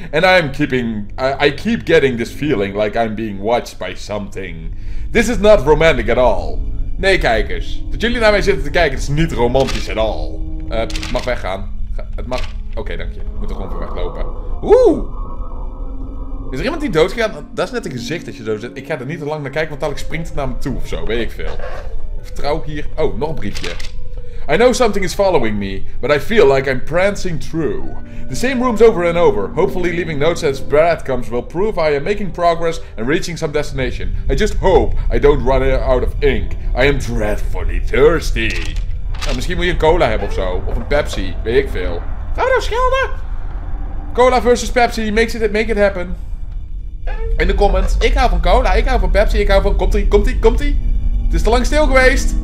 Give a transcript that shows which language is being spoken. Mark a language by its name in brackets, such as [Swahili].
[English] And I keep getting this feeling like I'm being watched by something. This is not romantic at all. [Dutch] Nee, kijkers. Dat jullie naar mij zitten te kijken, is niet romantisch [English] at all. [Dutch] Het mag weggaan. Het mag... Oké, dank je. Moet er gewoon voor weglopen. Oeh! Is er iemand die doodgegaan? Dat is net een gezicht dat je zo zit. Ik ga er niet te lang naar kijken, want dadelijk springt het naar me toe of zo. Weet ik veel. Vertrouw hier... Oh, nog een briefje. [English] I know something is following me, but I feel like I'm prancing through. The same rooms over and over, hopefully leaving notes as breadcrumbs will prove I am making progress and reaching some destination. I just hope I don't run out of ink. I am dreadfully thirsty. [Dutch] Nou, misschien moet je een cola hebben of zo. Of een Pepsi, weet ik veel. Ga nou schelden! [English] Cola versus Pepsi, make it happen. [Dutch] In de comments. Ik hou van cola, ik hou van Pepsi, ik hou van... Komt-ie? Het is te lang stil geweest.